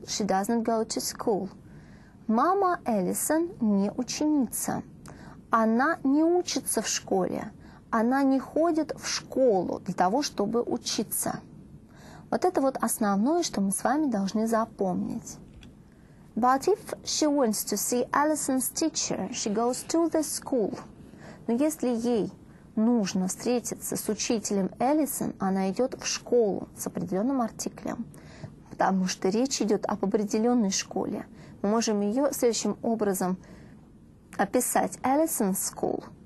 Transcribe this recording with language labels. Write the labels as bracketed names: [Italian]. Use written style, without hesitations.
[English] She doesn't go to school. [Russian] Мама Эллисон не ученица. Она не учится в школе. Она не ходит в школу для того, чтобы учиться. Вот это вот основное, что мы с вами должны запомнить. [English] But if she wants to see Allison's teacher, she goes to the school. [Russian] Но если ей нужно встретиться с учителем Эллисон, она идет в школу с определенным артиклем, потому что речь идет об определенной школе. Мы можем ее следующим образом описать: Allison's school.